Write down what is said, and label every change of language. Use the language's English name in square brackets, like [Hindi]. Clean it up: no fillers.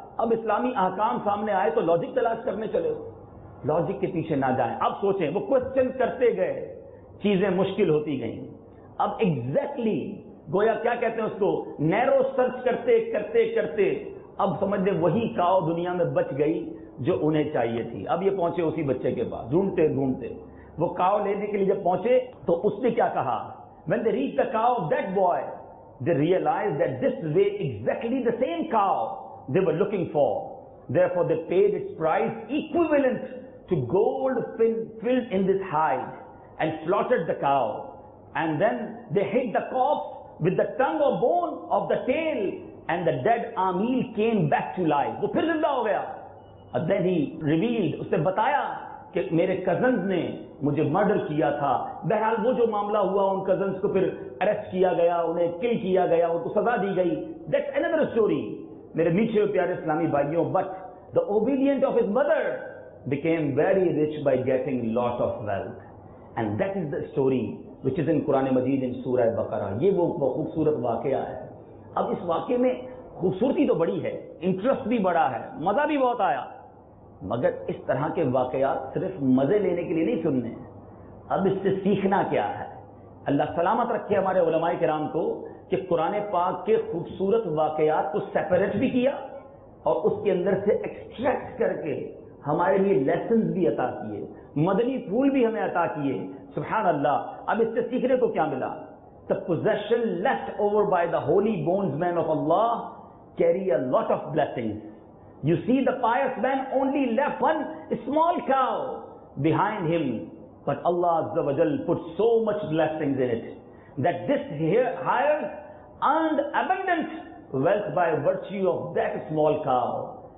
[Urdu] اب اسلامی احکام سامنے آئے تو لاجک تلاش کرنے چلے, لاجک کے پیچھے نہ جائیں. اب سوچیں وہ کوشچن کرتے گئے چیزیں مشکل ہوتی گئیں. اب اگزیکٹلی گویا کیا کہتے ہیں اس کو, نیرو سرچ کرتے کرتے کرتے اب سمجھ لیں وہی کاؤ دنیا میں بچ گئی جو انہیں چاہیے تھی. اب یہ پہنچے اسی بچے کے پاس, ڈھونڈتے ڈھونڈتے وہ کاؤ لینے کے لیے جب پہنچے تو اس نے کیا کہا, [English] when they reached the cow of that boy they realized that this way exactly the same cow they were looking for, therefore they paid its price equivalent to gold filled in this hide and slaughtered the cow and then they hit the corpse with the tongue or bone of the tail and the dead amil came back to life. [Urdu] وہ پھر زندہ ہو گیا. [English] Then he revealed, [Urdu] اس نے بتایا کہ میرے cousins نے مجھے مرڈر کیا تھا. بہرحال وہ جو معاملہ ہوا ان کزنز کو پھر اریسٹ کیا گیا, انہیں کل کیا گیا, ان کو سزا دی گئی. [English] That's another story. [Urdu] میرے میٹھے پیارے اسلامی بھائیوں, [English] but the obedient of his mother became very rich by getting lot of wealth. And that is the story which is in Quran مجید in سورہ بقرہ. [Urdu] یہ وہ خوبصورت واقعہ ہے. اب اس واقعے میں خوبصورتی تو بڑی ہے, انٹرسٹ بھی بڑا ہے, مزہ بھی بہت آیا, مگر اس طرح کے واقعات صرف مزے لینے کے لیے نہیں سننے. اب اس سے سیکھنا کیا ہے؟ اللہ سلامت رکھے ہمارے علماء کرام کو کہ قرآن پاک کے خوبصورت واقعات کو سیپریٹ بھی کیا اور اس کے اندر سے ایکسٹریکٹ کر کے ہمارے لیے لیسنز بھی عطا کیے, مدنی پھول بھی ہمیں عطا کیے. سبحان اللہ. اب اس سے سیکھنے کو کیا ملا؟ [English] The possession left over by the holy bondsman of Allah carry a lot of blessings. You see, the pious man only left one small cow behind him, but Allah Azza wa Jal put so much blessings in it that this hire earned abundant wealth by virtue of that small cow.